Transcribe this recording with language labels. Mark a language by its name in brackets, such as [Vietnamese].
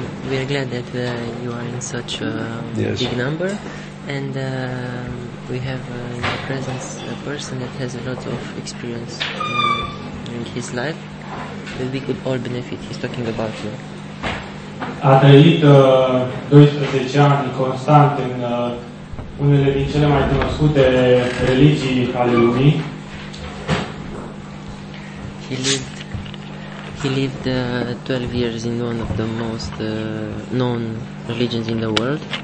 [English] We are glad that you are in such a yes. big number, and we have in your presence a person that has a lot of experience in his life that we could all benefit. He's talking about you. [Romanian] A trăit 12 ani constant în unele din cele mai cunoscute religii ale lumii. [English] He lived 12 years in one of the most known religions in the world.